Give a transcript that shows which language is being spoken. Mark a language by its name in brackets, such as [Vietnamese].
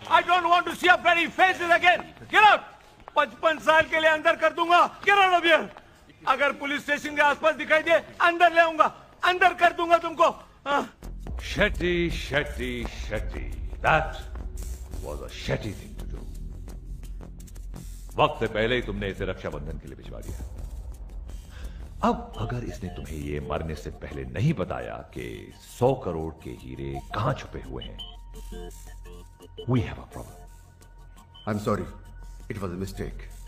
[English] I don't want to see your pretty faces again. Get out! [Hindi] 55 साल के लिए अंदर कर दूंगा। [English] Get out of here! [Hindi] अगर पुलिस स्टेशन के आसपास दिखाई दे, अंदर ले आऊंगा, अंदर कर दूंगा तुमको। [English] Shetty. That was a shetty thing to do. [Hindi] वक्त से पहले ही तुमने इसे रक्षाबंधन के लिए भिजवा दिया। अब अगर इसने तुम्हें ये मरने से पहले नहीं बताया कि 100 करोड़ के हीरे कहां छुपे हुए हैं, [English] We have a problem. I'm sorry. It was a mistake.